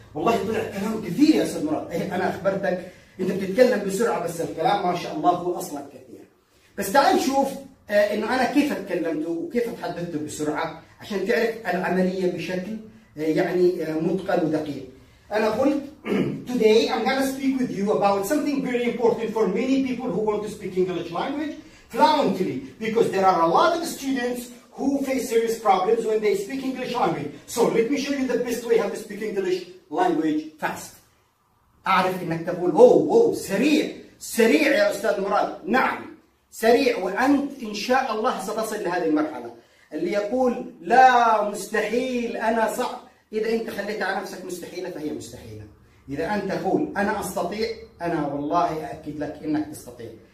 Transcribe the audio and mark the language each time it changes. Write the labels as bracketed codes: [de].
[ar] والله طلع كلام كثير يا استاذ مراد. ايه انا اخبرتك انت بتتكلم بسرعة بس الكلام ما شاء الله هو اصلا كثير. بس تعال نشوف انه انا كيف اتكلمته وكيف اتحدثته بسرعة عشان تعرف العملية بشكل يعني متقن ودقيق. انا قلت [en] today I'm gonna speak with you about something very important for many people who want to speak English language fluently because there are a lot of students who face serious problems when they speak English language. So let me show you the best way how to speak English language fast. [ar] أعرف إنك تقول سريع يا أستاذ مراد. نعم سريع وأنت إن شاء الله ستصل لهذه المرحلة. اللي يقول لا مستحيل أنا صعب، إذا أنت خليت على نفسك مستحيلة فهي مستحيلة. إذا أنت تقول أنا أستطيع أنا والله أؤكد لك إنك تستطيع.